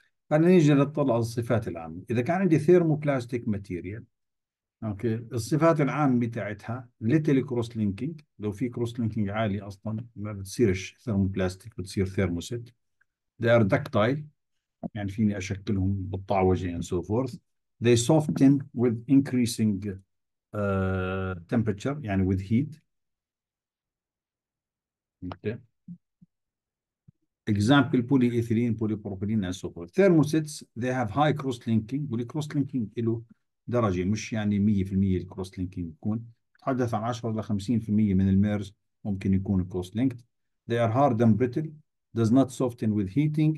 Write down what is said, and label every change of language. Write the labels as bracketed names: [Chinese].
[Arabic] خلينا نيجي نطلع على الصفات العامة. إذا كان عندي thermoplastic material، أوكي، الصفات العامة بتاعتها little cross linking، لو في cross linking عالي أصلا ما بتصيرش thermoplastic، بتصير thermoset. [English] They are ductile، [Arabic] يعني فيني أشكلهم بالطعوجة [English] and so forth. They soften with increasing temperature، يعني with heat. Okay. Example polyethylene, polypropylene and so forth. Thermosets, they have high cross linking. [Arabic] والcross linking له درجة، مش يعني 100% الكروس لينكينج يكون، تحدث عن 10 إلى 50% من الميرز ممكن يكون كروس لينكد. [English] They are hard and brittle, does not soften with heating.